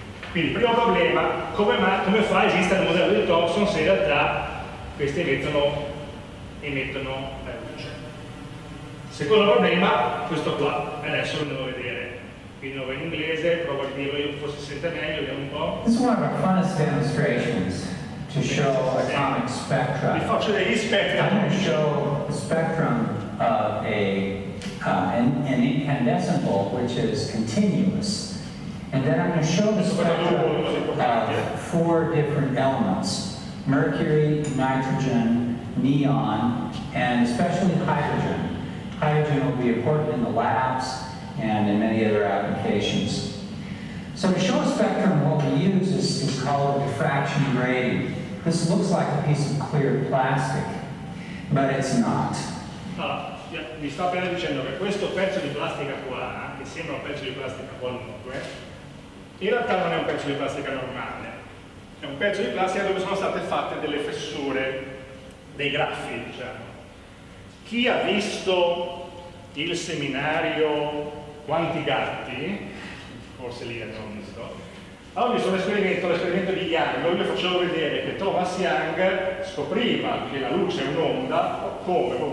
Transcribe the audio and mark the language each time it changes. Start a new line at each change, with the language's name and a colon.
Italian: Quindi il primo problema, come fa a esistere il modello di Thomson se in realtà questi emettono la luce. Secondo problema, questo qua, adesso lo devo vedere. Quindi lo vedo in inglese, provo a dirlo io, forse sente meglio, vediamo un po'.
English: This is one of our funnest demonstrations to show atomic spectra.
Italian: Vi faccio degli spectra.
English: I'm going to show the spectrum of an incandescent bulb which is continuous. And then I'm going to show the spectrum of four different elements: mercury, nitrogen, neon, and especially hydrogen. Hydrogen will be important in the labs and in many other applications. So to show a spectrum, what we use is called diffraction grating. This looks like a piece of clear plastic, but it's not.
Italian: Mi sto appena dicendo che questo pezzo di plastica qua, che sembra un pezzo di plastica qualunque, in realtà non è un pezzo di plastica normale. È un pezzo di plastica dove sono state fatte delle fessure, dei graffi, diciamo. Chi ha visto il seminario Quanti gatti, forse lì l'hanno visto, ha visto l'esperimento di Young, dove facevo vedere che Thomas Young scopriva che la luce è un'onda, come?